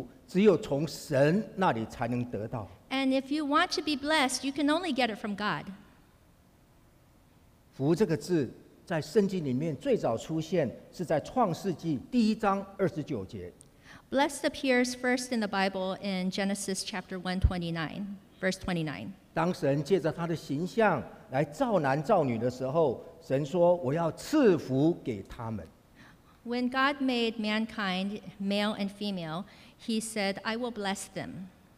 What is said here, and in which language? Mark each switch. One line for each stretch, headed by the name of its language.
Chinese: 人要拥有这个幸福，只有从神那里才能得到。
English: And if you want to be blessed, you can only get it from God.
Chinese: 福这个字在圣经里面最早出现是在创世纪第一章29节。
English: Blessed appears first in the Bible in Genesis chapter 1:29, verse 29.
Chinese: 当神借着他的形象来造男造女的时候，神说：“我要赐福给他们。”
English: When God made mankind, male and female, He said, "I will bless them."